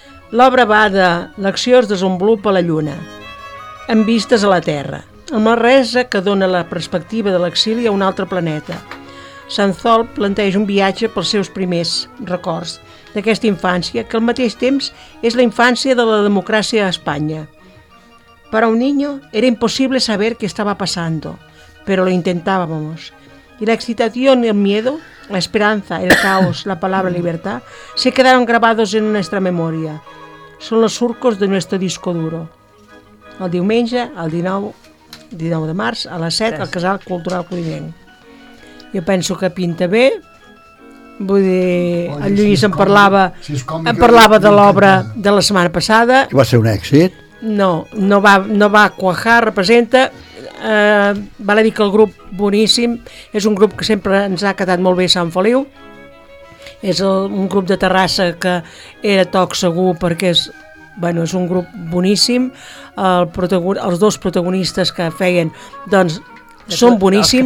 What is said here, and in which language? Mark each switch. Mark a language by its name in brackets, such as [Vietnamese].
[Catalan] L'obra va de l'acció es desenvolupa a la lluna, amb vistes a la Terra, amb la resa que dona la perspectiva de l'exili a un altre planeta. Sant Sol planteja un viatge pels seus primers records d'aquesta infància, que al mateix temps és la infància de la democràcia a Espanya. [Spanish] Para un niño era imposible saber qué estaba pasando, pero lo intentábamos. Y la excitación y el miedo, la esperanza, el caos, la palabra libertad, se quedaron grabados en nuestra memoria. Son los surcos de nuestro disco duro. [Catalan] El diumenge, el 19 de març, a les 7, al Casal Cultural Codinenc. Jo penso que pinta bé. Vull dir, el Lluís si em parlava de l'obra de la setmana passada. I va ser un èxit. No va cuajar, representa, val a dir que el grup boníssim, és un grup que sempre ens ha quedat molt bé a Sant Feliu, és un grup de Terrassa que era toc segur perquè és un grup boníssim, els dos protagonistes que feien, doncs, són boníssims.